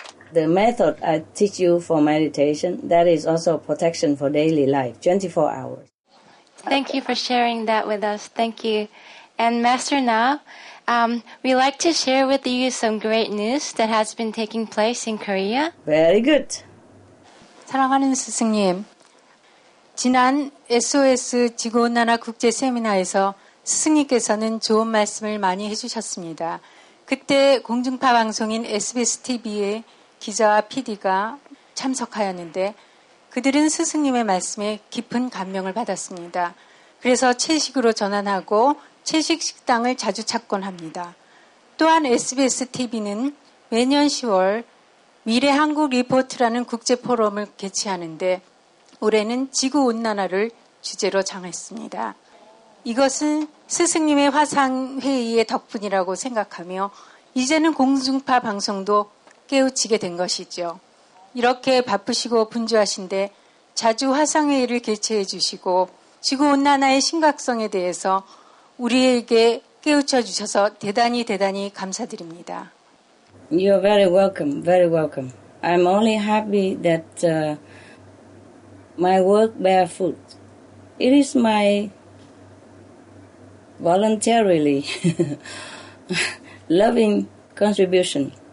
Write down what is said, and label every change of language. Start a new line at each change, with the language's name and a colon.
English: The method I teach you for meditation, that is also protection for daily life, 24 hours. Thank you for sharing that with us. Thank you. And Master Na, we'd like to share with you some great news that has been taking place in Korea. Very good.
Korean: 사랑하는 스승님, 지난 SOS 지구온난화 국제 세미나에서 스승님께서는 좋은 말씀을 많이 해주셨습니다. 그때 공중파 방송인 SBS TV에 기자와 PD가 참석하였는데 그들은 스승님의 말씀에 깊은 감명을 받았습니다. 그래서 채식으로 전환하고 채식 식당을 자주 찾곤 합니다. 또한 SBS TV는 매년 10월 미래 한국 리포트라는 국제 포럼을 개최하는데 올해는 지구 온난화를 주제로 정했습니다. 이것은 스승님의 화상 회의의 덕분이라고 생각하며 이제는 공중파 방송도 깨우치게 된 것이죠. 이렇게 바쁘시고 분주하신데 자주 화상회의를 개최해 주시고 지구온난화의 심각성에 대해서 우리에게 깨우쳐 주셔서 대단히 대단히 감사드립니다.
English: You are very welcome, very welcome. I'm only happy that my work bear fruit. It is my voluntarily loving contribution.